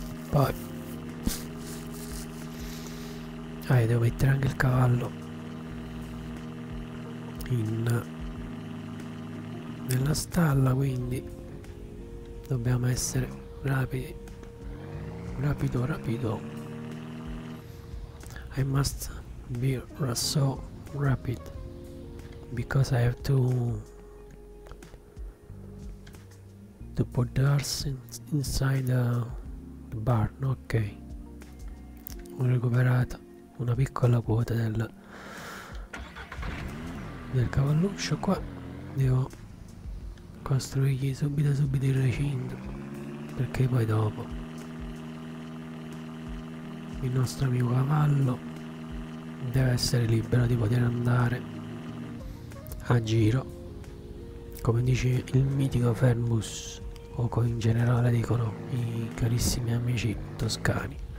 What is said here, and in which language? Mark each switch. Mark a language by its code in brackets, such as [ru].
[it] Poi devo mettere anche il cavallo nella stalla, quindi dobbiamo essere rapidi, rapido rapido. [en] I must be so rapid because I have to put the horse inside the barn. [it] Ok, ho recuperato una piccola quota del cavalluccio. Qua devo costruirgli subito il recinto, perché poi dopo il nostro mio cavallo deve essere libero di poter andare a giro, come dice il mitico Fermus, o come in generale dicono i carissimi amici toscani.